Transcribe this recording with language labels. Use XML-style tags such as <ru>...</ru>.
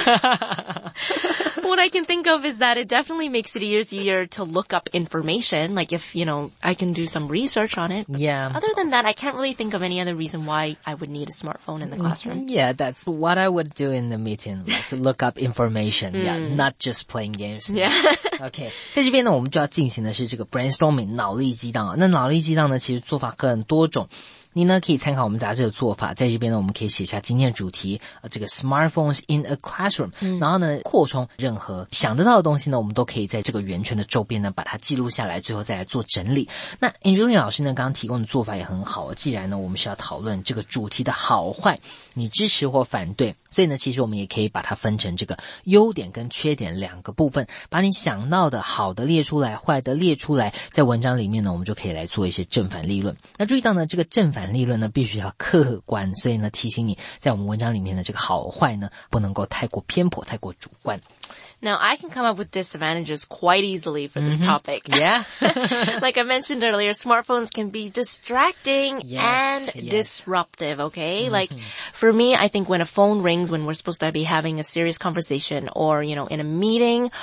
<en>What I can think of is that it definitely makes it easier to look up information, like if, you know, I can do some research on it. But yeah. Other than that, I can't really think of any other reason why I would need a smartphone in the classroom. Yeah, that's what I would do in the meeting, like look up information, yeah, not just playing games. Yeah.</en> <zh>Okay. 在这边呢，我们就要进行的是这个 brainstorming, 脑力激荡。那脑力激荡呢，其实做法很多种。你呢可以参考我们杂志的做法，在这边呢我们可以写下今天的主题，这个</zh> <en>smartphones in a classroom、嗯、</en> <zh>然后呢扩充任何想得到的东西呢，我们都可以在这个圆圈的周边呢把它记录下来，最后再来做整理。那 Angeline 老师呢刚刚提供的做法也很好，既然呢我们是要讨论这个主题的好坏，你支持或反对，所以呢其实我们也可以把它分成这个优点跟缺点两个部分，把你想到的好的列出来，坏的列出来，在文章里面呢我们就可以来做一些正反立论。那注意到呢这个正反立论呢必须要客观，所以呢提醒你在我们文章里面的这个好坏呢不能够太过偏颇，太过主观。</zh> <en>Now, I can come up with disadvantages quite easily for this topic. Mm-hmm. Yeah. Like I mentioned earlier, smartphones can be distracting yes, and yes. disruptive, okay? Mm-hmm. Like, for me, I think when a phone rings when we're supposed to be having a serious conversation or, you know, in a meeting</en>